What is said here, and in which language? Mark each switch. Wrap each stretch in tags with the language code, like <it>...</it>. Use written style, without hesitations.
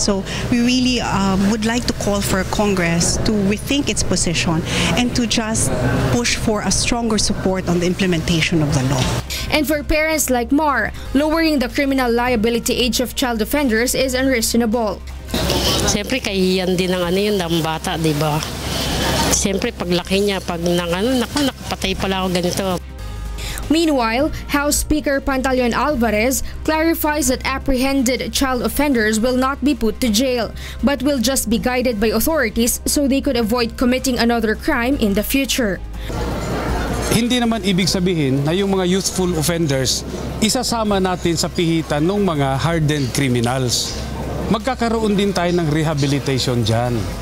<en>So we really would like to call for Congress to rethink its position and to just push for a stronger support on the implementation of the law. And for parents like Mar, lowering the criminal liability age of child offenders is unreasonable.</en> <tl>Siyempre, kahihiyan din ang ano yun ng bata, di ba? Siyempre, paglaki niya, pag nakapatay pala ako ganito.</tl> <en>Meanwhile, House Speaker Pantaleon Alvarez clarifies that apprehended child offenders will not be put to jail, but will just be guided by authorities so they could avoid committing another crime in the future.</en> <tl>Hindi naman ibig sabihin na yung mga youthful offenders, isasama natin sa pihitan ng mga hardened criminals. Magkakaroon din tayo ng rehabilitation dyan.</tl>